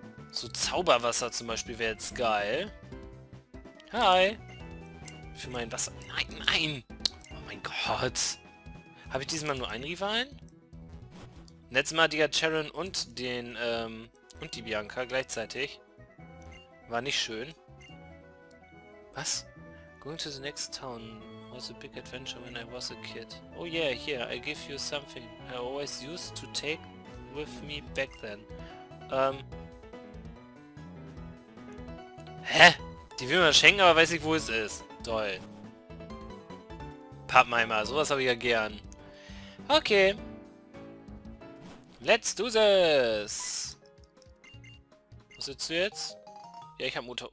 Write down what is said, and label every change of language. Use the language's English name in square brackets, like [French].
[German] So Zauberwasser zum Beispiel wäre jetzt geil. Hi. Für mein Wasser. Nein, nein. Oh mein Gott. Habe ich diesmal nur einen Rivalen? Letztes Mal die Charon und den, und die Bianca gleichzeitig. War nicht schön. Was? [English] Going to the next town was a big adventure when I was a kid. Oh yeah, here, I give you something I always used to take with me back then. [German] Hä? Die will man schenken, aber weiß nicht, wo es ist. Toll. Pappmeimer, sowas habe ich ja gern. Okay. [English] Let's do this. [German] Wo sitzt du jetzt? Ja, ich habe Motor.